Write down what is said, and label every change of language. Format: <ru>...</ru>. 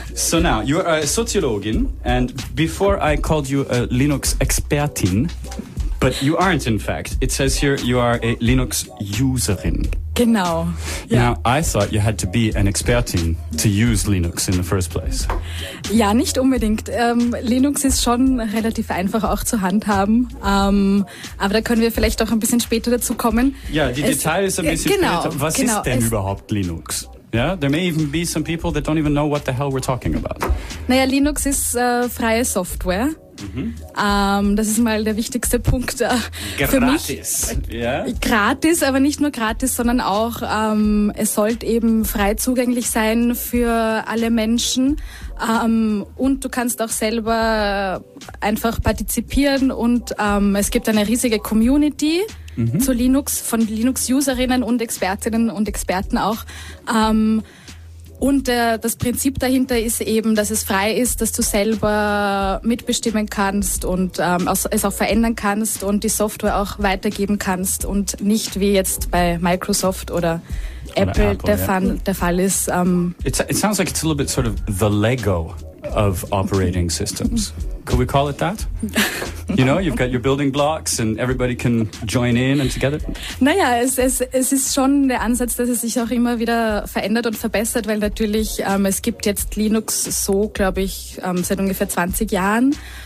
<en>So now, you are a Soziologin, and before I called you a Linux Expertin, but you aren't, in fact. It says here you are a Linux Userin.</en> <de>Genau.</de> <en>Yeah. Now, I thought you had to be an Expertin to use Linux in the first place.</en> <de>Ja, nicht unbedingt. Linux ist schon relativ einfach auch zu handhaben. Aber da können wir vielleicht auch ein bisschen später dazu kommen. Ja, die Details ist ein bisschen später. Was ist denn überhaupt Linux?</de> <en>Yeah, there may even be some people that don't even know what the hell we're talking about.</en> <de>Naja, Linux ist freie Software. Mm-hmm. Das ist mal der wichtigste Punkt für mich.</de> <en>Gratis, yeah.</en> <de>Gratis, aber nicht nur gratis, sondern auch, es sollte eben frei zugänglich sein für alle Menschen. Und du kannst auch selber einfach partizipieren und es gibt eine riesige Community. Mhm. Zu Linux, von Linux-Userinnen und Expertinnen und Experten auch. Und das Prinzip dahinter ist eben, dass es frei ist, dass du selber mitbestimmen kannst und es auch verändern kannst und die Software auch weitergeben kannst und nicht wie jetzt bei Microsoft oder Apple der Fall ist.</de> <en>It sounds like it's a little bit sort of the Lego of operating systems. Could we call it that? You know, you've got your building blocks and everybody can join in and together.</en> <de>Naja, es ist schon der Ansatz, dass es sich auch immer wieder verändert und verbessert, weil natürlich es gibt jetzt Linux so, glaube ich, seit ungefähr 20 Jahren.</de>